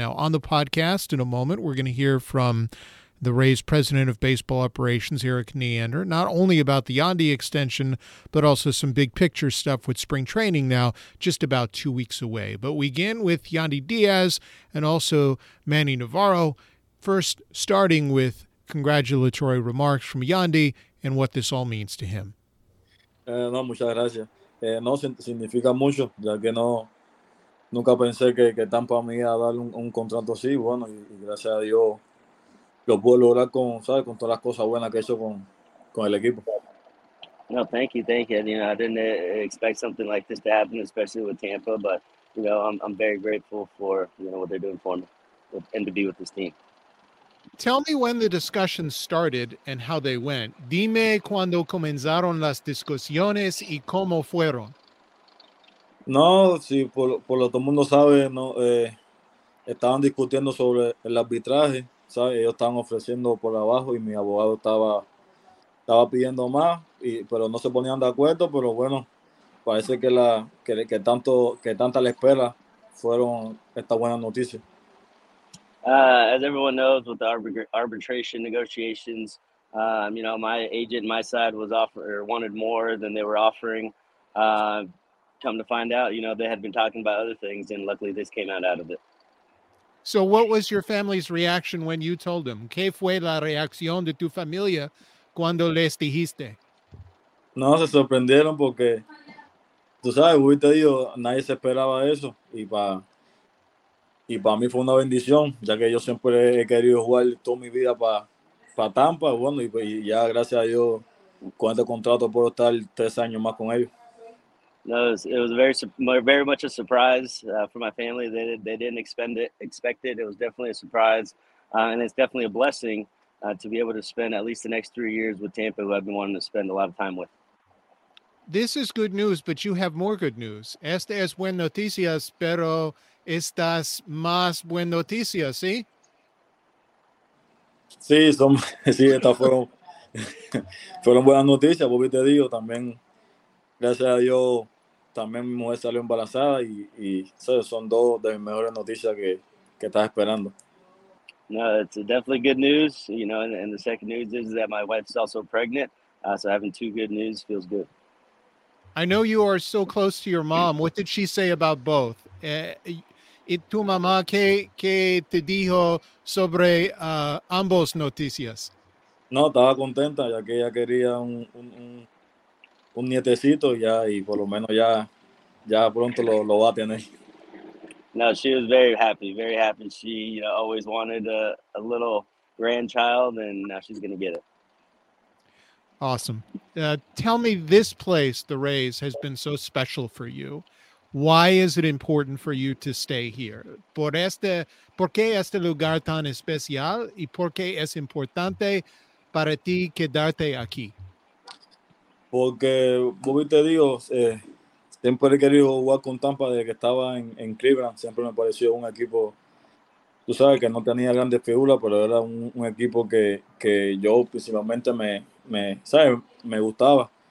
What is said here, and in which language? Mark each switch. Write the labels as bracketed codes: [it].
[en] Now, on the podcast, in a moment, we're going to hear from the Rays president of baseball operations, Eric Neander, not only about the Yandy extension, but also some big picture stuff with spring training now just about 2 weeks away. But we begin with Yandy Diaz and also Manny Navarro. First, starting with congratulatory remarks from Yandy and what this all means to him. [es] No, muchas gracias. No significa mucho, ya que no, nunca pensé que Tampa me iba a dar un contrato así. Bueno, y gracias a Dios. Lo puedo lograr con, ¿sabes? Con todas las cosas buenas que he hecho con el equipo. [en] No, thank you. And, you know, I didn't expect something like this to happen, especially with Tampa. But, you know, I'm very grateful for, you know, what they're doing for me and to be with this team. Tell me when the discussions started and how they went. [es] Dime cuando comenzaron las discusiones y cómo fueron. No, sí, por lo que todo el mundo sabe, no, estaban discutiendo sobre el arbitraje. ¿Sabes? Ellos estaban ofreciendo por abajo y mi abogado estaba pidiendo más, pero no se ponían de acuerdo, pero bueno, parece que tanta la espera fueron esta buena noticia. [en] As everyone knows, with the arbitration negotiations, you know, my agent, my side wanted more than they were offering. Come to find out, you know, they had been talking about other things, and luckily this came out of it. So what was your family's reaction when you told them? [es] ¿Qué fue la reacción de tu familia cuando les dijiste? No, se sorprendieron porque, tú sabes, hoy te digo, nadie se esperaba eso. Y para mí fue una bendición, ya que yo siempre he querido jugar toda mi vida para Tampa. Bueno, y ya gracias a Dios, con este contrato puedo estar 3 años más con ellos. [en] No, it was very much a surprise for my family. They didn't expect it. It was definitely a surprise, and it's definitely a blessing to be able to spend at least the next 3 years with Tampa, who I've been wanting to spend a lot of time with. This is good news, but you have more good news. [es] Esta es buena noticia, pero estas más buena noticia, ¿sí? Sí, estas fueron buenas noticias, porque te digo también. Gracias a Dios, también mi mujer salió embarazada y son dos de mis mejores noticias que estás esperando. [en] No, it's definitely good news, you know, and the second news is that my wife's also pregnant, so having 2 good news feels good. I know you are so close to your mom. What did she say about both? [es] ¿Y tu mamá qué te dijo sobre ambos noticias? No, estaba contenta ya que ella quería un nietecito ya, y por lo menos ya pronto lo va a tener. [en] No, she was very happy. She, you know, always wanted a little grandchild, and now she's going to get it. Awesome. Tell me, this place, the Rays, has been so special for you. Why is it important for you to stay here? [es] ¿Por qué este lugar tan especial y por qué es importante para ti quedarte aquí? Porque, como te digo, siempre he querido jugar con Tampa desde que estaba en Cleveland. Siempre me pareció un equipo, tú sabes, que no tenía grandes figuras, pero era un equipo que yo principalmente me gustaba.